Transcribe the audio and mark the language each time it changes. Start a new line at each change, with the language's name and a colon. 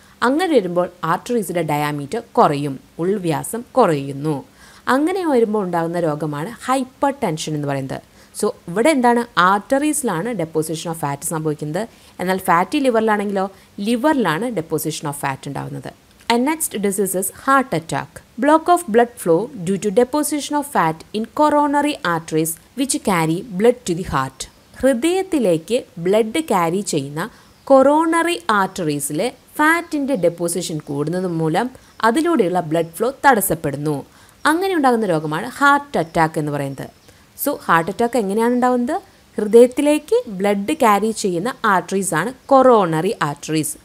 Malayalam: അങ്ങനെ വരുമ്പോൾ ആർട്ടറീസിൻ്റെ ഡയാമീറ്റർ കുറയും, ഉൾവ്യാസം കുറയുന്നു. അങ്ങനെ വരുമ്പോൾ ഉണ്ടാകുന്ന രോഗമാണ് ഹൈപ്പർ ടെൻഷൻ എന്ന് പറയുന്നത്. സോ ഇവിടെ എന്താണ്, ആർട്ടറീസിലാണ് ഡെപ്പോസിഷൻ ഓഫ് ഫാറ്റ് സംഭവിക്കുന്നത്. എന്നാൽ ഫാറ്റി ലിവറിലാണെങ്കിലോ, ലിവറിലാണ് ഡെപ്പോസിഷൻ ഓഫ് ഫാറ്റ് ഉണ്ടാകുന്നത്.
English: And next disease is heart attack. Block of blood flow due to deposition of fat in coronary arteries which carry blood to the heart.
Malayalam: ഹൃദയത്തിലേക്ക് blood കാരി ചെയ്യുന്ന coronary ആർട്ടറീസിലെ ഫാറ്റിൻ്റെ deposition കൂടുന്നത് മൂലം അതിലൂടെയുള്ള blood flow തടസ്സപ്പെടുന്നു. അങ്ങനെ ഉണ്ടാകുന്ന രോഗമാണ് heart attack എന്ന് പറയുന്നത്. സോ ഹാർട്ട് അറ്റാക്ക് എങ്ങനെയാണ് ഉണ്ടാകുന്നത്? ഹൃദയത്തിലേക്ക് ബ്ലഡ് കാരി ചെയ്യുന്ന ആർട്ടറീസാണ് കൊറോണറി ആർട്ടറീസ്.